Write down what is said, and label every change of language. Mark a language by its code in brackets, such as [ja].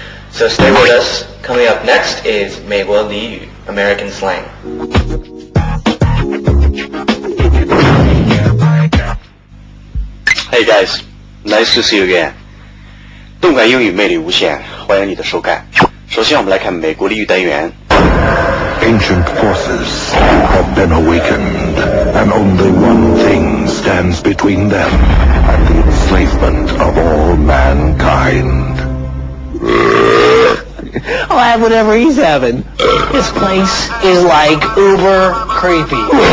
[en] So stay with us. Coming up next is Meiwo Liyu, American Slang. Hey guys, nice to see you again. [zh] 动感英语魅力无限，欢迎你的收看。首先我们来看美国俚语单元。 [en] Ancient forces have been awakened, and only one thing stands between them and the enslavement of all mankind. I'll have whatever he's having. This place is like uber creepy.